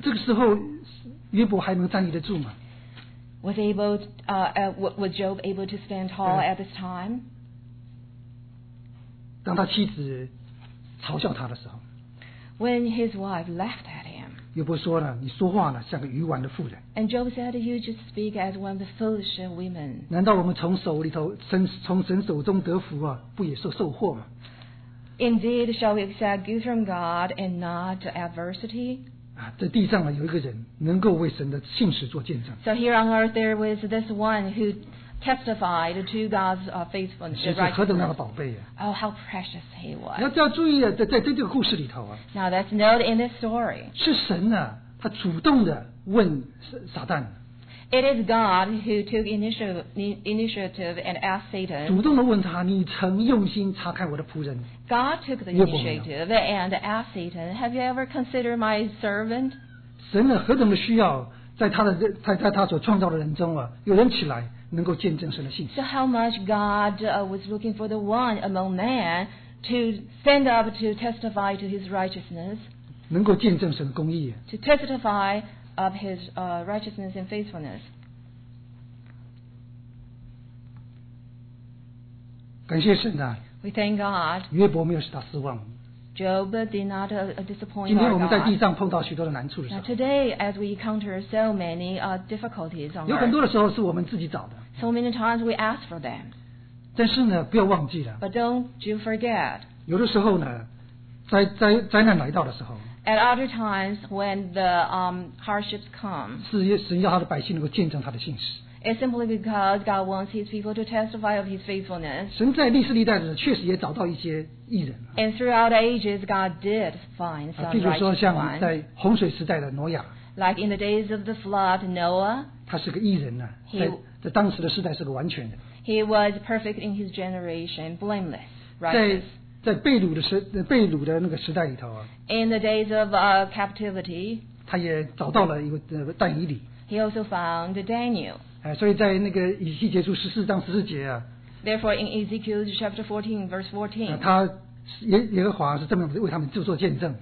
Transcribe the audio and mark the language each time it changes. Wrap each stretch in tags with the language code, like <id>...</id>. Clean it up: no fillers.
<zh>这个时候，约伯还能站立得住吗</zh> <en>？Was able, was Job able to stand tall at this time?</en> <zh>当他妻子嘲笑他的时候</zh> <en>，When his wife laughed at him.</en> <zh>约伯说呢，你说话呢像个愚顽的妇人。</zh> <en>And Job said, you just speak as one of the foolish women.</en> <zh>难道我们从手里头从神手中得福啊，不也是受祸吗？</zh> <en>Indeed, shall we accept good from God and not adversity?</en> <zh>啊，这地上呢有一个人能够为神的信实做见证。</zh> <en>So here on earth there was this one who testified to God's faithfulness.</en> <zh>这是何等大的宝贝啊！</zh> <en>Oh, how precious he was!</en> <zh>要注意啊，在这个故事里头啊。</zh> <en>Now let's note in this story.</en> <zh>是神呢、啊，他主动的问撒旦。</zh> <en>It is God who took initiative and asked Satan.</en> <zh>主动的问他，你曾用心查看我的仆人？</zh> <en>God took the initiative and asked Satan, "Have you ever considered my servant?"</en> <zh>神呢，何等的需要，在他所创造的人中啊，有人起来。能够见证神的信实。</zh> <en>So how much God was looking for the one among man to stand up to testify to his righteousness?</en> <zh>能够见证神的公义。</zh> <en>To testify of his righteousness and faithfulness.</en> <zh>感谢神啊。</zh> <en>We thank God.</en> <zh>约伯没有使他失望。</zh> <en>Job did not disappoint.</en> <zh>今天我们在地上碰到许多的难处的时候。</zh> <en>Now today, as we encounter so many difficulties on earth,</en> <zh>有很多的时候是我们自己找的。</zh> <en>So many times we ask for them.</en> <zh>但是呢，不要忘记了。</zh> <en>But don't you forget.</en> <zh>有的时候呢，灾难来到的时候。</zh> <en>At other times when the hardships come.</en> <zh>是神要他的百姓能够见证他的信实。</zh> <en>It's simply because God wants His people to testify of His faithfulness.</en> <zh>神在历史历代的确实也找到一些义人。</zh> <en>And throughout ages, God did find some righteous ones.</en> <zh>譬如说，像在洪水时代的挪亚。</zh> <en>Like in the days of the flood, Noah.</en> <zh>他是个义人呢，在当时的时代是个完全人。</zh> <en>He was perfect in his generation, blameless, right?</en> <zh>在被掳的那个时代里头啊。</zh> <en>In the days of captivity.</en> <zh>他也找到了一个但以理。</zh> <en>He also found Daniel.</en> <zh>所以在那个以西结书十四章十四节啊。</zh> <en>Therefore, in Ezekiel chapter 14, verse 14.</en> <zh>他耶和华是这么为他们做见证。</zh>